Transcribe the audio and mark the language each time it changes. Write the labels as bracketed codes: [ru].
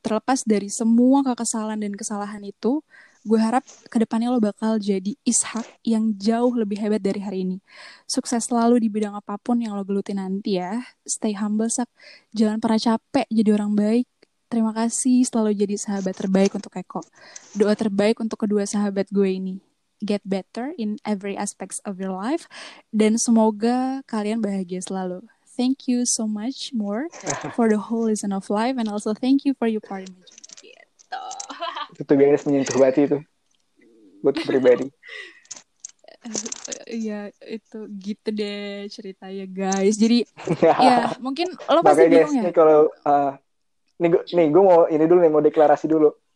[id] Terlepas dari semua kekesalan dan kesalahan itu, gue harap ke depannya lo bakal jadi Ishak yang jauh lebih hebat dari hari ini. Sukses selalu di bidang apapun yang lo geluti nanti ya. [en] Stay humble, [id] Sak. Jangan pernah capek jadi orang baik. Terima kasih selalu jadi sahabat terbaik untuk Eko. Doa terbaik untuk kedua sahabat gue ini. [en] Get better in every aspects of your life. [id] Dan semoga kalian bahagia selalu. [en] Thank you so much more for the whole lesson of life. And also thank you for your part in my journey. [id] Itu garis menyentuh hati itu buat pribadi. Ya itu gitu deh ceritanya guys. Jadi ya mungkin lo pasti bingung guys, ya. Nih kalau nih gue mau ini dulu nih, mau deklarasi dulu.